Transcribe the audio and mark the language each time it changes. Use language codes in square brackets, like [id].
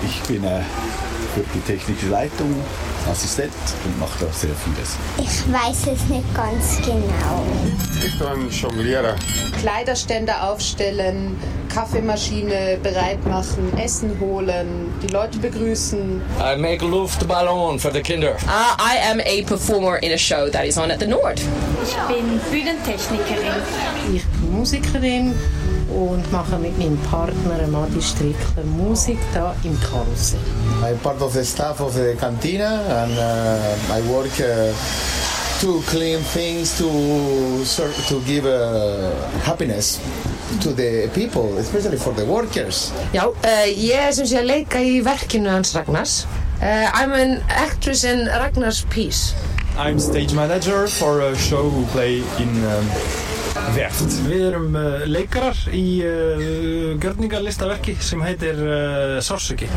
[de] Ich bin für die technische Leitung Assistent und mache da sehr vieles. Ich weiß es nicht ganz genau. Ich kann jonglieren. Kleiderstände aufstellen, Kaffeemaschine bereit machen, Essen holen, die Leute begrüßen. [en] I make Luftballon for the Kinder. I am a performer in a show that is on at the Nord. [de] Ich bin Bühnentechnikerin. Ich bin Musikerin und mache mit meinem Partner Madi Strickler Musik hier im Karussell. [en] I'm part of the staff of the cantina and I work to clean things, to give happiness to the people, especially for the workers. [is] Já, ég er sem sé að leika í verkinu hans Ragnars. [en] I'm an actress in Ragnars piece. I'm stage manager for a show we play in Während. [is] Við erum leikarar í gjörningalistaverki sem heitir Sársöki.